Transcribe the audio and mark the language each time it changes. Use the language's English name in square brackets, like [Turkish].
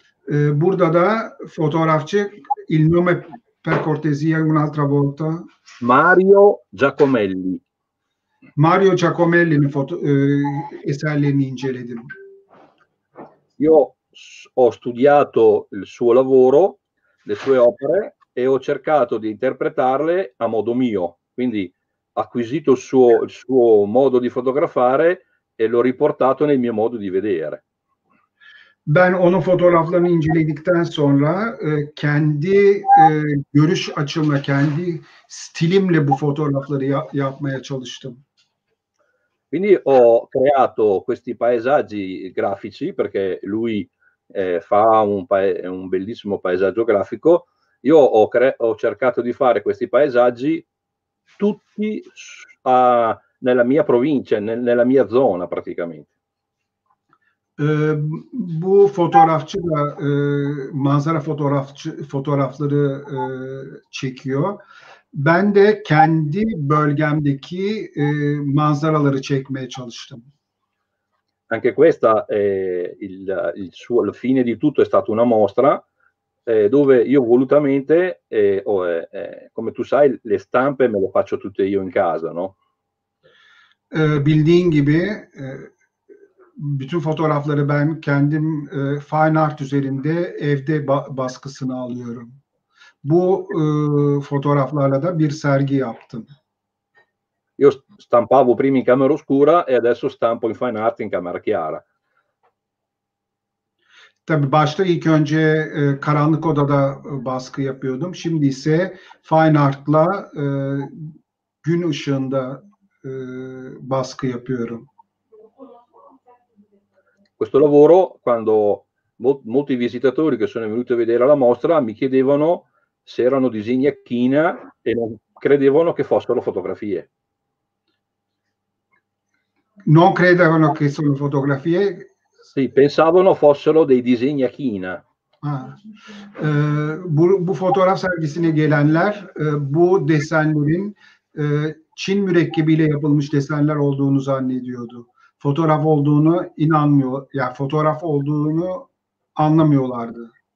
[Turkish] Burada da fotoğrafçı [Italian] Il nome per cortesia un'altra volta. Mario Giacomelli. [Turkish] Mario Giacomelli'nin eserlerini inceledim. [Italian] Io ho studiato il suo lavoro, le sue opere e ho cercato di interpretarle a modo mio. Quindi acquisito il suo modo di fotografare e l'ho riportato nel mio modo di vedere. [Turkish] Ben onun fotoğraflarını inceledikten sonra kendi görüş açımla, kendi stilimle bu fotoğrafları yapmaya çalıştım. [Italian] Quindi ho creato questi paesaggi grafici perché lui fa un bellissimo paesaggio grafico. Io ho cercato di fare questi paesaggi tutti nella mia provincia, nella mia zona praticamente. [Turkish] Bu fotoğrafçı da manzara fotoğrafları çekiyor. Ben de kendi bölgemdeki manzaraları çekmeye çalıştım. [Italian] Anche questa è il fine di tutto è stata una mostra. Dove io volutamente, come tu sai, le stampe me le faccio tutte io in casa, no? [Turkish] Bildiğin gibi, bütün fotoğrafları ben kendim fine art üzerinde evde baskısını alıyorum. Bu fotoğraflarla da bir sergi yaptım. [Italian] Io stampavo prima in camera oscura e adesso stampo in fine art in camera chiara. [Turkish] Tabii başta ilk önce karanlık odada baskı yapıyordum. Şimdi ise fine art'la gün ışığında baskı yapıyorum. [Italian] Questo lavoro quando molti visitatori che sono venuti a vedere la mostra mi chiedevano se erano disegni a china e non credevano che fossero fotografie. Non credevano che sono fotografie. Sì, pensavano fossero dei disegni a china. [Turkish] Bu fotoğraf sergisine gelenler bu desenlerin Çin mürekkebiyle yapılmış desenler olduğunu zannediyordu. Fotoğraf olduğunu inanmıyor. Yani fotoğraf olduğunu anlamıyorlardı.